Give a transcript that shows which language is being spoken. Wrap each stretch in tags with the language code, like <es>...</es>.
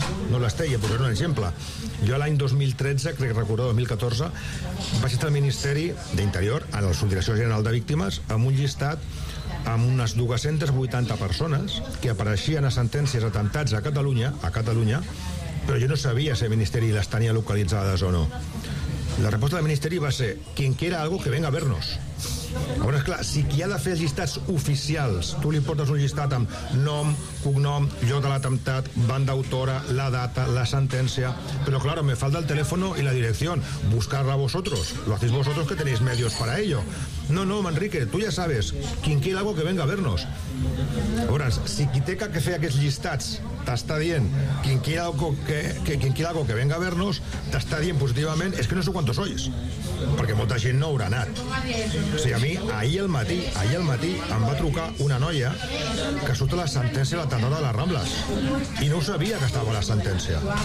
<ca>No les té, i et posaré un exemple. Jo l'any 2013, crec recordar 2014, vaig estar al Ministeri d'Interior, a la Subdirecció General de Víctimes, amb un llistat amb unes 280 persones que apareixien a sentències d'atemptats a Catalunya, però jo no sabia si el Ministeri les tenia localitzades o no. La resposta del Ministeri va ser</ca> <es>quien quiera algo que venga a vernos.</es> <ca>Llavors, clar, si qui ha de fer els llistats oficials, tu li portes un llistat amb nom, cognom, lloc de l'atemptat, banda autora, la data, la sentència...</ca> <es>Però, claro, me falta el teléfono y la dirección. Buscarla vosotros. Lo hacéis vosotros que tenéis medios para ello. No, Manrique, tú ya sabes, quien quiera algo que venga a vernos.</es> <ca>Llavors, si qui té que fer aquests llistats t'està dient</ca> <es>quien quiera algo que venga a vernos,</es> <ca>t'està dient positivament, és que</ca> <es>no sé quantos sois,</es> <ca>perquè molta gent no haurà anat. O sigui, mi ahir al matí em va trucar una noia que surt a la sentència a la tardor de les Rambles i no ho sabia que estava a la sentència.</ca>